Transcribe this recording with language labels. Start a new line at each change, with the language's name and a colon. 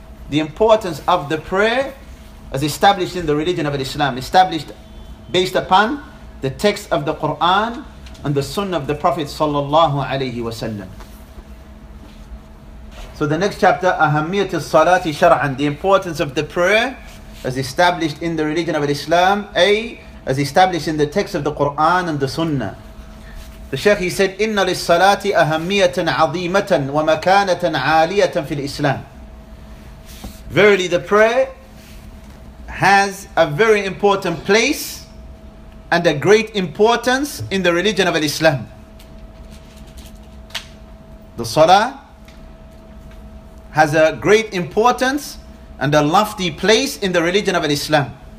English: The importance of the prayer as established in the religion of Islam, established based upon the text of the Quran and the sunnah of the Prophet sallallahu alayhi wa sallam. So the next chapter,
Arabic: أهمية الصلاة شرعاً,
English: the importance of the prayer as established in the religion of Islam, as established in the text of the Quran and the Sunnah. The Shaykh, he said,
Arabic: إِنَّ لِلصَّلَاةِ أَهَمِّيَةً عَظِيمَةً وَمَكَانَةً عَالِيَةً فِي الْإِسْلَامِ.
English: Verily, the prayer has a very important place and a great importance in the religion of Islam. The Salah has a great importance and a lofty place in the religion of Islam.